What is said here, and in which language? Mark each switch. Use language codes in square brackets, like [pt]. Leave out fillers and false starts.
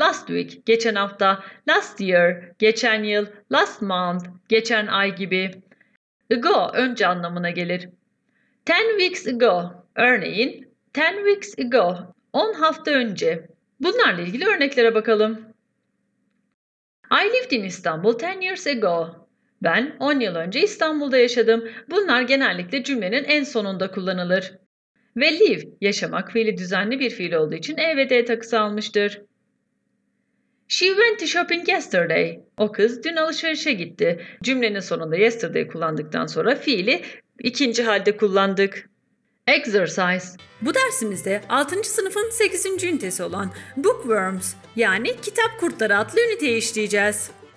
[en] Last week, [tr] geçen hafta. [en] Last year, [tr] geçen yıl. [en] Last month, [tr] geçen ay gibi. Ago, önce anlamına gelir. [en] 10 weeks ago, örneğin. 10 weeks ago, [tr] 10 hafta önce. Bunlarla ilgili örneklere bakalım. [en] I lived in Istanbul 10 years ago. [tr] Ben 10 yıl önce İstanbul'da yaşadım. Bunlar genellikle cümlenin en sonunda kullanılır. Ve live, yaşamak fiili düzenli bir fiil olduğu için e ve d takısı almıştır. [en] She went to shopping yesterday. [tr] O kız dün alışverişe gitti. Cümlenin sonunda yesterday kullandıktan sonra fiili ikinci halde kullandık. [en] Exercise. [tr] Bu dersimizde 6. sınıfın 8. ünitesi olan Bookworms, yani kitap kurtları adlı üniteyi işleyeceğiz.